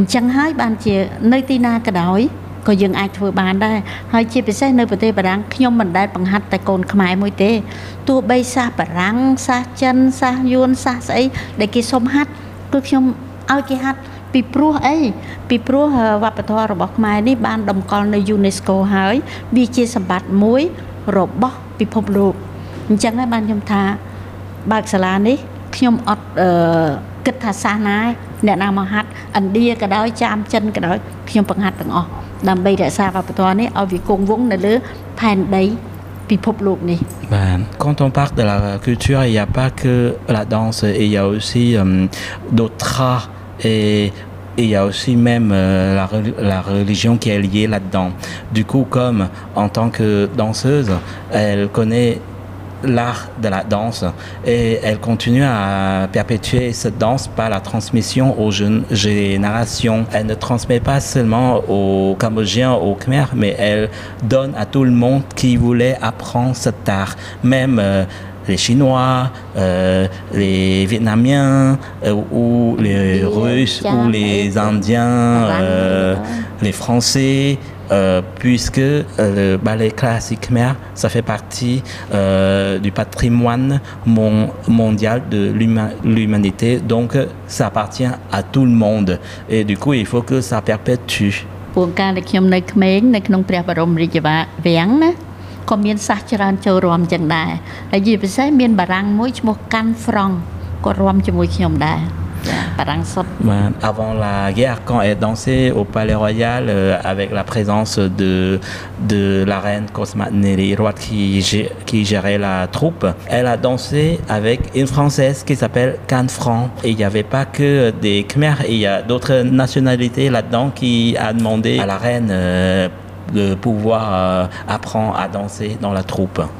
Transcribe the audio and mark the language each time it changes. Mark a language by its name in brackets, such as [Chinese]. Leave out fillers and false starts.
[Khmer] ញ្ចឹងហើយបានជានៅទីណាក៏ដោយក៏យើងអាចធ្វើបានដែរហើយជាពិសេសនៅប្រទេសបារាំងខ្ញុំមិនដែលបង្ហាត់តែកូនខ្មែរមួយទេទោះបីសាសបារាំងសាសចិនសាសយួនសាសស្អីដែលគេសុំហាត់គឺខ្ញុំឲ្យគេហាត់ពីព្រោះអីពីព្រោះវប្បធម៌របស់ខ្មែរនេះបានតម្កល់នៅ UNESCO ហើយវាជាសម្បត្តិមួយរបស់ពិភពលោកអញ្ចឹងហើយបានខ្ញុំថាបើកសាលានេះខ្ញុំអត់ គិតថាសាសនាអ្នកណាមកហាត់ឥណ្ឌាក៏ដោយចាមចិនក៏ដោយខ្ញុំបង្ហាត់ទាំងអស់ដើម្បីរក្សាវប្បធម៌នេះឲ្យវាគង់វង្សនៅលើផែនដីពិភពលោកនេះ [French] បាទ quand on parle de la culture il y a pas que la danse il y a aussi d'autres etIt y a aussi même la religion qui est liée là-dedans. Du coup, comme en tant que danseuse, elle connaît l'art de la danse et elle continue à perpétuer cette danse par la transmission aux jeunes générations. Elle ne transmet pas seulement aux Cambodgiens, aux Khmer, mais elle donne à tout le monde qui voulait apprendre cet art. Même les Chinois, les Vietnamiens, ou les Russes, ou les Indiens, les Français, puisque le ballet classique Khmer, ça fait partie du patrimoine mondial de l'humanité, donc ça appartient à tout le monde, et du coup il faut que ça perpétue. Pour un cas de Khmer, [Khmer] dans le cas de Khmer, dans le cas de Khmer, ក៏មានសាសច្រើនចូលរួមចឹងដែរហើយជាពិសេសមានបារាំងមួយឈ្មោះកាន់ហ្វ្រង់ក៏រួមជាមួយខ្ញុំដែរ [French] Avant la guerre, quand elle dansait au palais royal avec la présence de la reine Cosma Nelly Roat qui gérait la troupe, elle a dansé avec une Française qui s'appelle Can Fran. Et il n'y avait pas que des Khmer, il y a d'autres nationalités là-dedans qui a demandé à la reine de pouvoir apprendre à danser dans la troupe.